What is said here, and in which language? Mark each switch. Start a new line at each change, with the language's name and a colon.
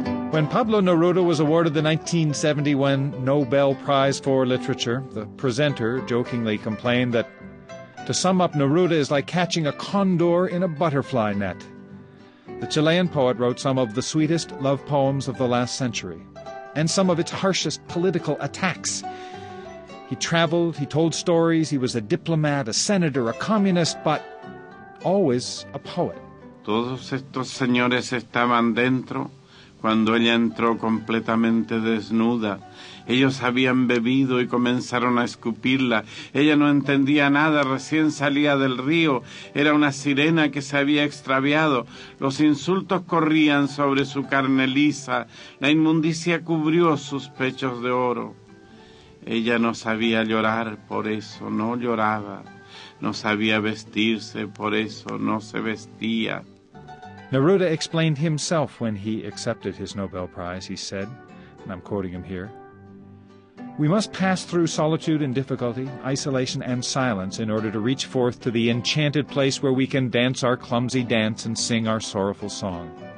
English: When Pablo Neruda was awarded the 1971 Nobel Prize for Literature, the presenter jokingly complained that, to sum up, Neruda is like catching a condor in a butterfly net. The Chilean poet wrote some of the sweetest love poems of the last century, and some of its harshest political attacks. He traveled, he told stories, he was a diplomat, a senator, a communist, but always a poet.
Spanish: Todos estos señores estaban dentro cuando ella entró completamente desnuda. Ellos habían bebido y comenzaron a escupirla. Ella no entendía nada, recién salía del río. Era una sirena que se había extraviado. Los insultos corrían sobre su carne lisa. La inmundicia cubrió sus pechos de oro. Ella no sabía llorar, por eso no lloraba. No sabía vestirse, por eso no se vestía.
English: Neruda explained himself when he accepted his Nobel Prize. He said, and I'm quoting him here, "We must pass through solitude and difficulty, isolation and silence, in order to reach forth to the enchanted place where we can dance our clumsy dance and sing our sorrowful song.